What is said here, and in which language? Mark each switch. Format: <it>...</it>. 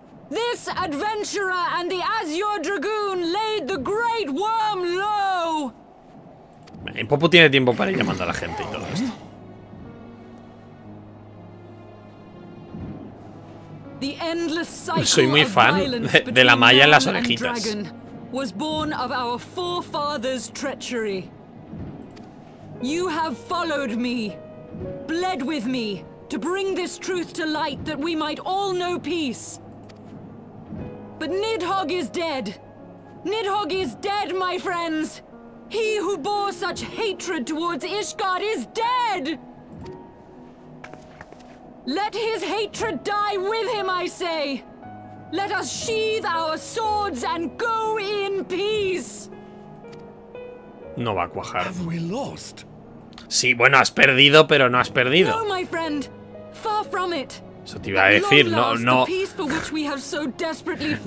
<en>This adventurer and the Azure Dragoon laid the great worm low.</en> <es>Y Popo tiene tiempo para ir llamando a la gente y todo esto.</es> <en>The endless cycle.</en> <es>Soy muy fan de la malla en las orejitas.</es> <en>Was born of our forefathers' treachery. You have followed me, bled with me to bring this truth to light that we might all know peace. But Nidhogg is dead. Nidhogg is dead, my friends. He who bore such hatred towards Ishgard is dead. Let his hatred die with him, I say. Let us sheathe our swords and go in peace.</en> <es>No va a cuajar.</es> <en>Have we lost?</en> <es>Sí, bueno, has perdido, pero no has perdido.</es> <en>No, my friend. Far from it.</en> <es>Eso te iba a decir, no, no.</es> <en>The peace for which we have so desperately fought.</en>